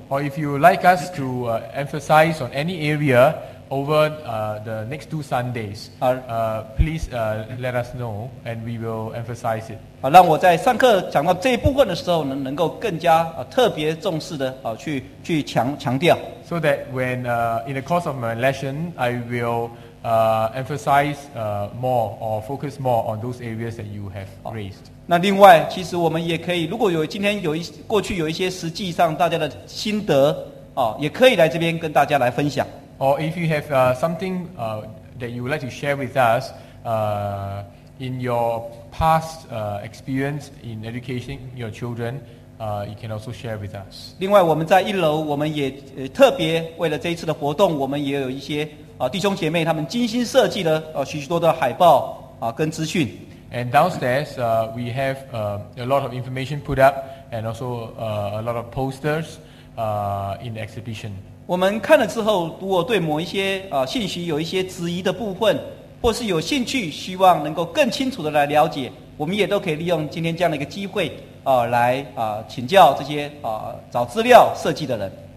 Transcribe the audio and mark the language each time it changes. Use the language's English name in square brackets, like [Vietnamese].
[English] Or if you would like us to emphasize on any area. Over the next two Sundays, please let us know, and we will emphasize it. [Chinese] 啊，让我在上课讲到这一部分的时候呢，能够更加特别重视的去强调。 [English] So that when in the course of my lesson, I will emphasize more or focus more on those areas that you have raised. [Chinese] 那另外，其实我们也可以，如果有今天有一过去有一些实际上大家的心得也可以来这边跟大家来分享。 [English] Or if you have something that you would like to share with us in your past experience in educating your children, you can also share with us. [Chinese] 另外，我们在一楼，我们也特别为了这一次的活动，我们也有一些弟兄姐妹他们精心设计的许多的海报跟资讯。 [English] And downstairs, we have a lot of information put up, and also a lot of posters. in the exhibition. [Chinese] 我们看了之后，如果对某一些信息有一些质疑的部分，或是有兴趣，希望能够更清楚的来了解，我们也都可以利用今天这样的一个机会，来请教这些找资料设计的人。